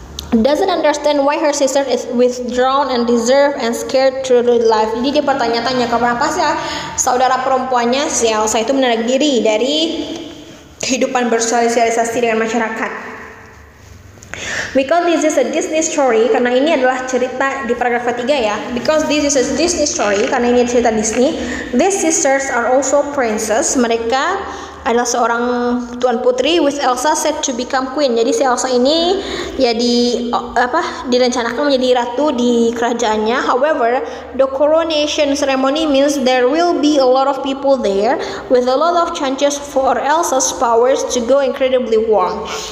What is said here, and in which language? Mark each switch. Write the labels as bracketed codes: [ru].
[en] Doesn't understand why her sister is withdrawn and reserved and scared through the life. [id] Jadi dia bertanya-tanya, kenapa sih saudara perempuannya si Elsa itu menarik diri dari kehidupan bersosialisasi dengan masyarakat. [en] Because this is a Disney story, [id] karena ini adalah cerita di paragraf ketiga ya. [en] Because this is a Disney story, [id] karena ini cerita Disney. [en] These sisters are also princess. [id] Mereka adalah seorang tuan putri [en] with Elsa set to become queen. [id] Jadi si Elsa ini ya direncanakan menjadi ratu di kerajaannya. [en] However, the coronation ceremony means there will be a lot of people there with a lot of chances for Elsa's powers to go incredibly wrong.